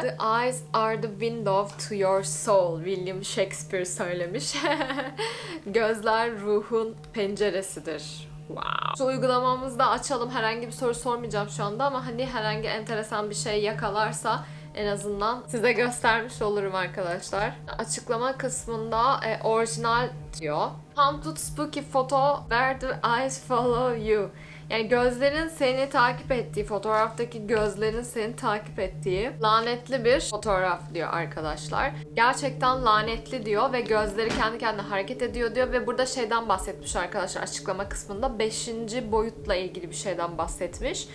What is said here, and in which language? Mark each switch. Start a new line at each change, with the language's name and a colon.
English: The eyes are the window to your soul, William Shakespeare
Turkish: söylemiş. Gözler ruhun penceresidir. Wow. Şu uygulamamızı da açalım. Herhangi bir soru sormayacağım şu anda ama hani herhangi enteresan bir şey yakalarsa en azından size göstermiş olurum arkadaşlar. Açıklama kısmında orijinal diyor.
English: Haunted spooky photo where the eyes follow you.
Turkish: Yani gözlerin seni takip ettiği, fotoğraftaki gözlerin seni takip ettiği lanetli bir fotoğraf diyor arkadaşlar. Gerçekten lanetli diyor ve gözleri kendi kendine hareket ediyor diyor. Ve burada şeyden bahsetmiş arkadaşlar açıklama kısmında. 5. boyutla ilgili bir şeyden bahsetmiş.